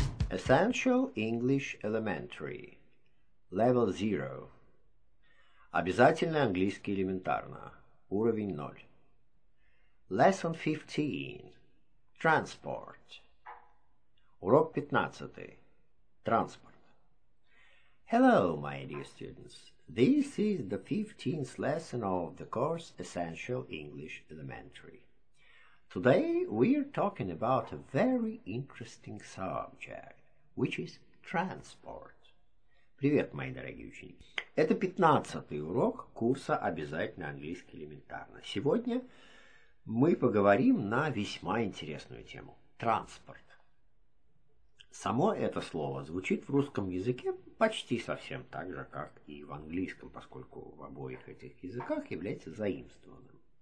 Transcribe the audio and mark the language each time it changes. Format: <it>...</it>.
<en>Essential English Elementary. Level 0.</en> <ru>Обязательный английский элементарно. Уровень 0.</ru> <en>Lesson 15. Transport.</en> <ru>Урок 15. Транспорт.</ru> <en>Hello, my dear students. This is the 15th lesson of the course Essential English Elementary. Today we're talking about a very interesting subject, which is transport.</en> <ru>Привет, мои дорогие ученики. Это 15-й урок курса «Обязательный английский элементарно». Сегодня мы поговорим на весьма интересную тему – транспорт. Само это слово звучит в русском языке почти совсем так же, как и в английском, поскольку в обоих этих языках является заимствованным.</ru>